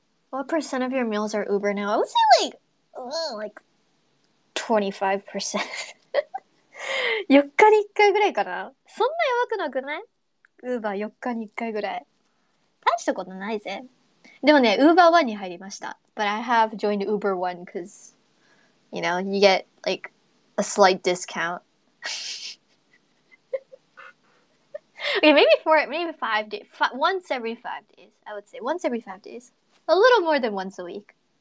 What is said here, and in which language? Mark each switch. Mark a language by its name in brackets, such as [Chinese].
[English] What percent of your meals are Uber now? I would say like 25%. [Japanese] 4日に1回ぐらいかな？そんなやばくなくない？Uber 4日に1回ぐらい。大したことないぜ。でもね、Uber One に入りました。 [English] But I have joined Uber One because, you know, you get like a slight discount. Okay, maybe once every 5 days. I would say once every 5 days. A little more than once a week.